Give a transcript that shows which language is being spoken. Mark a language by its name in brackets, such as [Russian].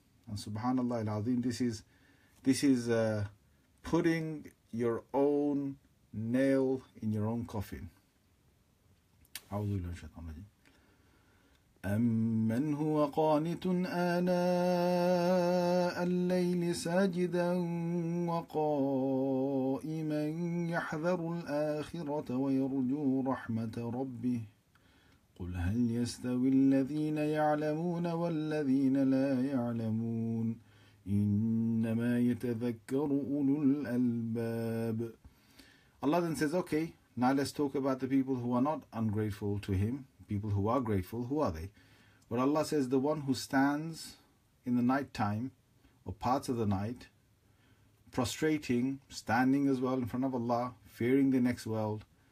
[English] And subhanAllah al-Azim, this is putting your own nail in your own coffin. [Arabic] أعوذ بالله من الشيطان الرجيم. أمن هو قانت آناء الليل ساجدا وقائما يحذر الآخرة ويرجو رحمة ربه قل هل يستوي الذين يعلمون والذين لا يعلمون إنما يتذكر أولو الألباب. [English] Allah then says, okay, now let's talk about the people who are not ungrateful to him. People who are grateful, who are they? But Allah says, the one who stands in the night time, or parts of the night, prostrating, standing as well in front of Allah, fearing the next world.